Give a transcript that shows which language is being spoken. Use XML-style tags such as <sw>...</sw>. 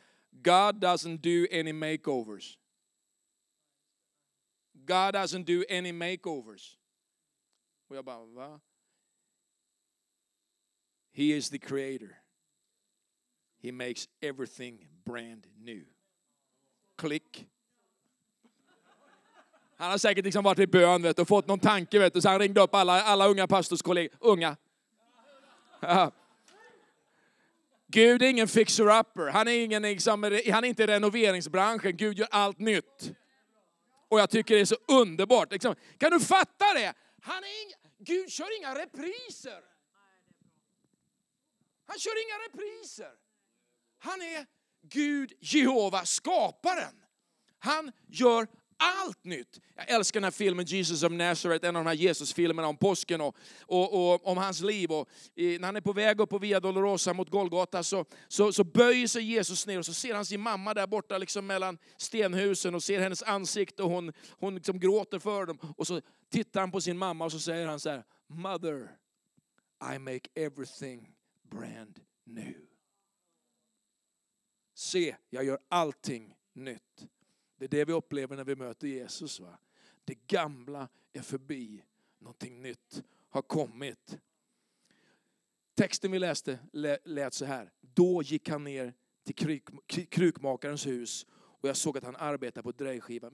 <en>God doesn't do any makeovers. God doesn't do any makeovers.</en> <sv>Och jag bara, va?</sv> <en>He is the creator. He makes everything brand new. Click.</en> <sv>Han har säkert liksom varit i bön, vet du, och fått någon tanke, vet du. Så han ringde upp alla unga pastorskollegor. Unga. Gud är ingen fixer-upper. Han är ingen liksom, han är inte i renoveringsbranschen. Gud gör allt nytt. Och jag tycker det är så underbart. Liksom, kan du fatta det? Han är Gud kör inga repriser. Han kör inga repriser. Han är Gud, Jehova, skaparen. Han gör allt nytt. Jag älskar den här filmen Jesus of Nazareth. En av de här Jesus-filmerna om påsken och om hans liv. Och när han är på väg upp på Via Dolorosa mot Golgata så böjer sig Jesus ner. Och så ser han sin mamma där borta liksom mellan stenhusen och ser hennes ansikte. Och hon liksom gråter för dem. Och så tittar han på sin mamma och så säger han så här.</sv> <en>Mother, I make everything brand new.</en> <sv>Se, jag gör allting nytt. Det är det vi upplever när vi möter Jesus, va? Det gamla är förbi. Någonting nytt har kommit. Texten vi läste lät så här. Då gick han ner till krukmakarens hus och jag såg att han arbetade på drejskivan.</sv>